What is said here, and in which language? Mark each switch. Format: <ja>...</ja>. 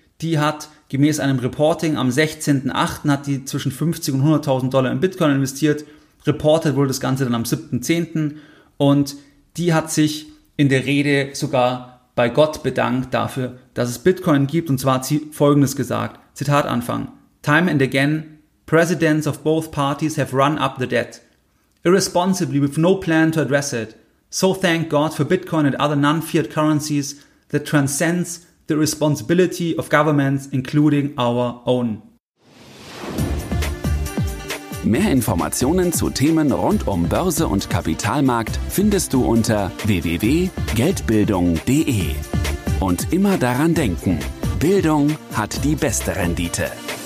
<de>Die hat gemäß einem</de> <en>Reporting</en> <de>am 16.8. hat die zwischen 50 und 100.000 Dollar in Bitcoin investiert.</de> <en>Reported</en> <de>wurde das Ganze dann am 7.10. Und die hat sich in der Rede sogar bei Gott bedankt dafür, dass es Bitcoin gibt. Und zwar hat sie Folgendes gesagt. Zitat Anfang.</de> <en>Time and again, presidents of both parties have run up the debt. Irresponsibly with no plan to address it. So thank God for Bitcoin and other non-fiat currencies that transcends the responsibility of governments, including our own.</en> <de>Mehr Informationen zu Themen rund um Börse und Kapitalmarkt findest du unter www.geldbildung.de. Und immer daran denken, Bildung hat die beste Rendite.</de>